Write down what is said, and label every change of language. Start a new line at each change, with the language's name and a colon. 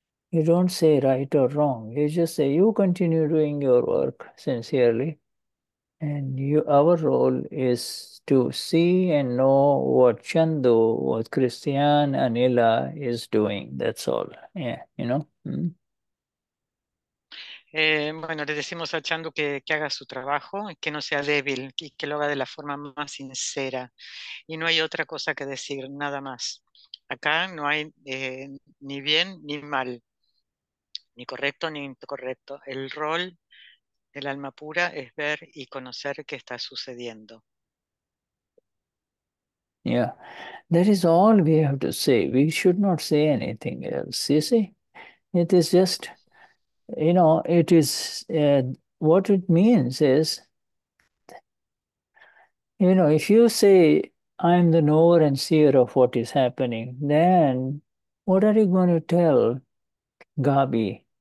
English: You don't say right or wrong. You just say, you continue doing your work sincerely. And you, our role is to see and know what Chandu, what Christian, Anila is doing. That's all. Yeah, you know.
Spanish: Bueno, le decimos a Chandu que haga su trabajo y que no sea débil y que lo haga de la forma más sincera. Y no hay otra cosa que decir, nada más. Acá no hay ni bien ni mal, ni correcto ni incorrecto. El rol del alma pura es ver y conocer qué está sucediendo.
English: Yeah, that is all we have to say. We should not say anything else, you see. It is just, you know, it is, what it means is, you know, if you say, I am the knower and seer of what is happening, then what are you going to tell Gabi?